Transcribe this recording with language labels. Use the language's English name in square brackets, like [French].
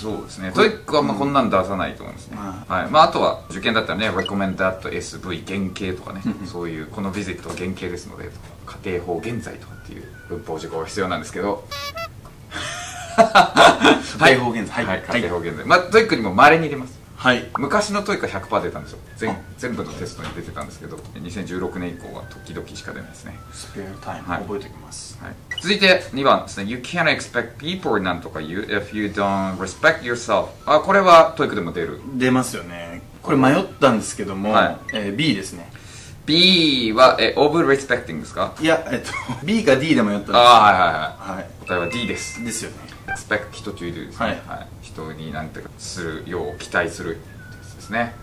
[Japanese] そうですね、トイックはまあこんなん出さないと思うんですね、うん、はい、まああとは受験だったらね、Recommend that SV 原型とかね、そういうこのビジットは原型ですのでとか、仮定法現在とかっていう文法事項が必要なんですけど、仮定法現在、はい、仮定法現在、まあ、トイックにも稀に出ます。はい、昔のトイックは 100% 出たんですよ。全部のテストに出てたんですけど、2016年以降は時々しか出ないですね。スペアタイム、はい、覚えておきます、はい、続いて2番ですね。 [English] You can't expect people なんとか you if you don't respect yourself。 [Japanese] あ、これはトイックでも出る、出ますよね。これ迷ったんですけども、はい、 B ですね。 B は、over respecting ですか？いや、B か D でもやったんです。ああ、はいはいはい。はい、答えは D です。ですよね。 expect 人と言うとですね。はい。はい、人になんてかするよう期待するですね。